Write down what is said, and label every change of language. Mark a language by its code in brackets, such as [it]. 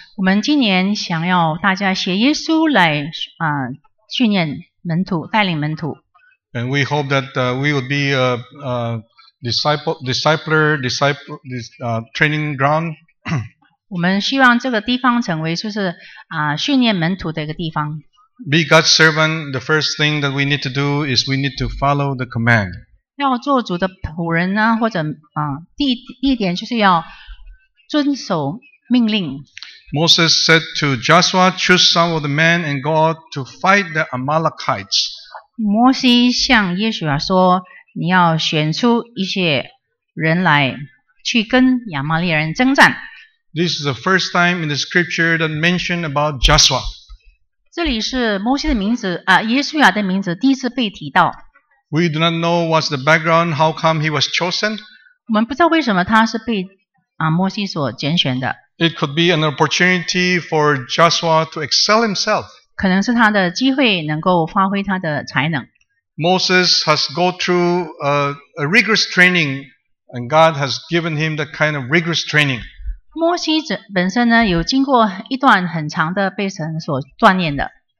[zh] 我们今年想要大家学耶稣来训练门徒，带领门徒。 [en] And we hope that we would be a training ground. [zh] 我们希望这个地方成为就是训练门徒的一个地方。 [en] Be God's servant, the first thing that we need to do is we need to follow the command. [zh] 要做主的仆人呢，或者第一点就是要遵守命令。 [en] Moses said to Joshua, choose some of the men and go out to fight the Amalekites. [zh] 摩西向耶稣说，你要选出一些人来去跟亚玛利人征战。 [en] This is the first time in the scripture that mentioned about Joshua. [zh] 这里是摩西的名字耶稣亚的名字第一次被提到。 [en] We do not know what's the background, how come he was chosen. [zh] 我们不知道为什么他是被摩西所拣选的。 [en] It could be an opportunity for Joshua to excel himself. [zh] 可能是他的机会能够发挥他的才能。 [en] Moses has go through a rigorous training, and God has given him that kind of rigorous training. [zh] 摩西本身呢，有经过一段很长的被神所锻炼的。